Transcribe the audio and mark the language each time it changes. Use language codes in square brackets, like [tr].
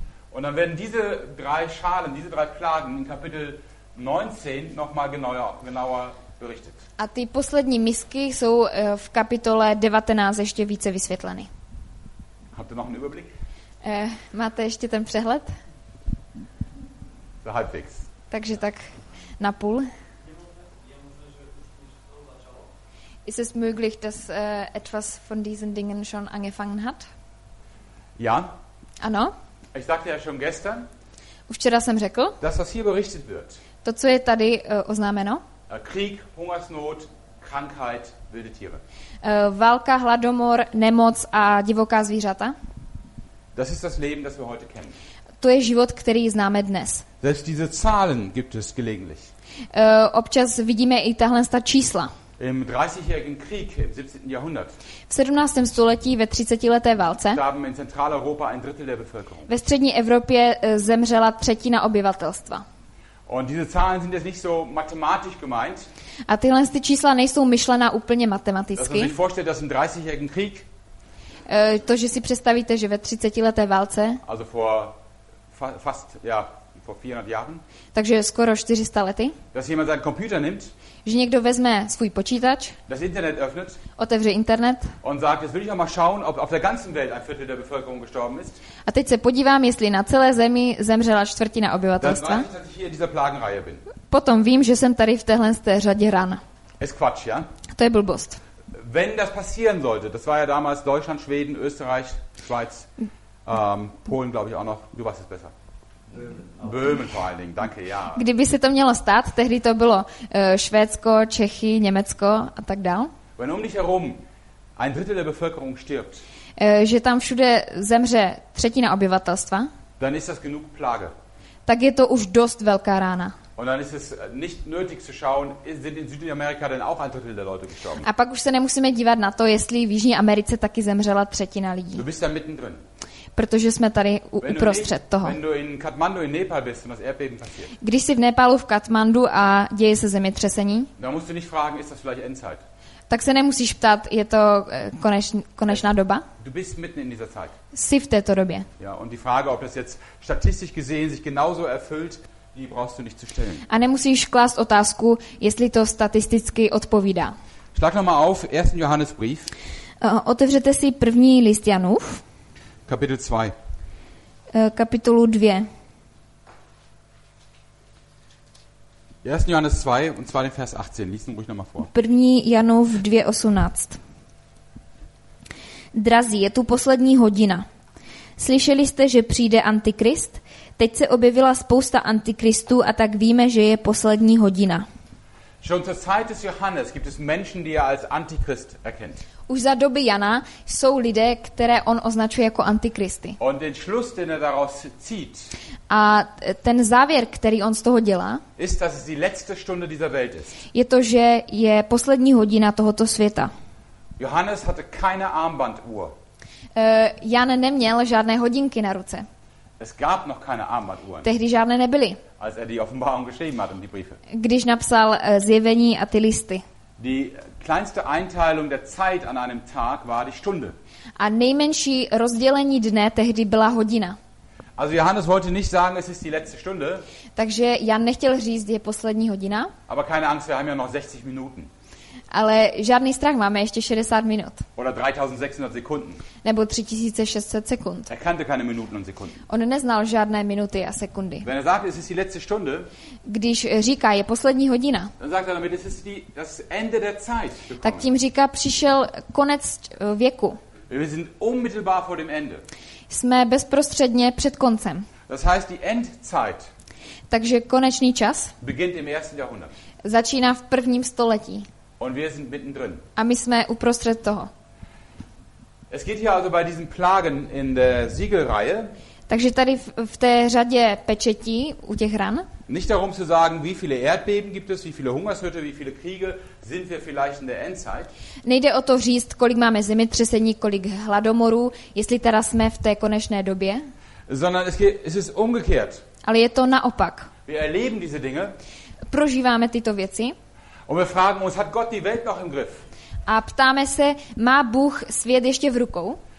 [de] Und dann werden diese drei Schalen, diese drei Plagen in Kapitel 19 nochmal genauer berichtet. [cs] A ty poslední misky jsou v kapitole 19 ještě více vysvětleny. [de] Habt ihr noch einen Überblick? [cs] Máte ještě ten přehled? [de] So halbwegs. [cs] Takže tak na půl. [de] Ist es möglich, dass etwas von diesen Dingen schon angefangen hat? Ja. [cs] Ano. [de] Ich sagte ja schon gestern. [cs] Včera jsem řekl. [de] Dass das hier berichtet wird. [cs] To, co je tady oznámeno. [de] Krieg, Hungersnot, Krankheit, wilde Tiere. [cs] Válka, hladomor, nemoc a divoká zvířata. [de] Das ist das Leben, das wir heute kennen. [cs] To je život, který známe dnes. [de] Selbst diese Zahlen gibt es gelegentlich. [cs] Občas vidíme i tahle ta čísla. [de] Im 30-jährigen Krieg im 17. Jahrhundert. [cs] V 17. století ve 30leté válce. [de] Starben in Zentraleuropa ein Drittel der Bevölkerung. [cs] Ve střední Evropě zemřela třetina obyvatelstva. [de] Und diese Zahlen sind jetzt nicht so mathematisch gemeint. [cs] A tyhle ty čísla nejsou myšlená úplně matematicky. [de] Dass man sich vorstellt, dass im 30-jährigen Krieg. [cs] To, že si představíte, že ve 30leté válce. [de] Also vor fast ja, vor 400 Jahren. [cs] Takže skoro 400 lety. [de] Dass jemand seinen Computer nimmt. [cs] Že někdo vezme svůj počítač. [de] Das Internet öffnet. [cs] Otevře internet. [de] Und sagt, jetzt will ich mal schauen, ob auf der ganzen Welt ein Viertel der Bevölkerung gestorben ist. [cs] A teď se podívám, jestli na celé zemi zemřela čtvrtina obyvatelstva. [de] Dann weiß ich, dass ich hier in dieser Plagenreihe bin. [cs] Potom vím, že jsem tady v téhle řadě ran. [de] Es Quatsch, ja? [cs] To je blbost. [de] Wenn das passieren sollte, das war ja damals Deutschland, Schweden, Österreich, Schweiz, Polen, glaube ich auch noch. Du weißt es besser. Böhmen vor allen Dingen, danke, ja. [cs] Kdyby se to mělo stát, tehdy to bylo Švédsko, Čechy, Německo a tak dál. [de] Wenn um dich herum ein Drittel der Bevölkerung stirbt, [cs] že tam všude zemře třetina obyvatelstva, [de] dann ist das genug Plage. [cs] Tak je to už dost velká rána. [de] Und dann ist es nicht nötig zu schauen, sind in Südamerika denn auch ein Drittel der Leute gestorben? [cs] A pak už se nemusíme dívat na to, jestli v Jižní Americe taky zemřela třetina lidí. [de] Du bist da mittendrin. [cs] Protože jsme tady uprostřed toho. [de] Wenn du in Kathmandu in Nepal bist und das Erdbeben passiert. [cs] Když jsi v Nepálu v Kathmandu a děje se zemětřesení. [de] Da musst du nicht fragen, ist das vielleicht Endzeit? [cs] Tak se nemusíš ptát, je to konečná doba? [de] Du bist mitten in dieser Zeit. [cs] Jsi v této době. [de] Ja, und die Frage, ob das jetzt statistisch gesehen sich genauso erfüllt, die brauchst du nicht zu stellen. [cs] A nemusíš klást otázku, jestli to statisticky odpovídá. [de] Schlag noch mal auf 1. Johannesbrief. [cs] Otevřete si první list Janův. [de] Kapitel 2. [cs] Kapitolu 2. 1. [de] Johannes 2 und zwar den Vers 18. Lies ihn ruhig noch mal vor. [cs] 1. Janův 2:18. Drazí, je tu poslední hodina. Slyšeli jste, že přijde antikrist? Teď se objevila spousta antikristů a tak víme, že je poslední hodina. [de] Schon zur Zeit des Johannes gibt es Menschen, die er als Antichrist erkennt. [cs] Už za doby Jana jsou lidé, které on označuje jako antikristy. [de] Und den Schluss, den er daraus zieht, [cs] a ten závěr, který on z toho dělá, [de] ist, dass es die letzte Stunde dieser Welt ist. [cs] Je to, že je poslední hodina tohoto světa. [de] Johannes hatte keine Armbanduhr. [cs] Jan neměl žádné hodinky na ruce. [de] Es gab noch keine Armbanduhren. [cs] Tehdy žádné nebyly. [de] Als er die Offenbarung geschrieben hat und die Briefe. [cs] Když napsal zjevení a ty listy. [de] Die kleinste Einteilung der Zeit an einem Tag war die Stunde. [cs] A nejmenší rozdělení dne tehdy byla hodina. [de] Also Johannes wollte nicht sagen, es ist die letzte Stunde. [cs] Takže Jan nechtěl říct, je poslední hodina. [de] Aber keine Angst, wir haben ja noch 60 Minuten. [cs] Ale žádný strach, máme ještě 60 minut. [de] Oder 3600 Sekunden. [cs] Nebo 3600 sekund. [de] Er kannte keine Minuten und Sekunden. [cs] On neznal žádné minuty a sekundy. [de] Wenn er sagt, es ist die letzte Stunde, [cs] když říká, je poslední hodina, [de] dann sagt er damit, es ist das Ende der Zeit. [cs] Tak tím říká, přišel konec věku. [de] Wir sind unmittelbar vor dem Ende. [cs] Jsme bezprostředně před koncem. [de] Das heißt, die Endzeit. [cs] Takže konečný čas [de] beginnt im 1. Jahrhundert. [cs] Začíná v prvním století. [de] Und wir sind mittendrin. [cs] A my jsme uprostřed toho. [de] Es geht hier also bei diesen Plagen in der Siegelreihe. [cs] Takže tady v té řadě pečetí u těch ran. [de] Nicht darum zu sagen, wie viele Erdbeben gibt es, wie viele Hungersnöte, wie viele Kriege, sind wir vielleicht in der Endzeit? [cs] Nejde o to říct, kolik máme zemětřesení, kolik hladomorů, jestli teda jsme v té konečné době? [de] Sondern es ist umgekehrt. [cs] Ale je to naopak. [de] Wir erleben diese Dinge. [cs] Prožíváme tyto věci. [de] Und wir fragen uns, hat Gott die Welt noch im Griff? [cs] A ptáme se, má Bůh svět ještě v rukou?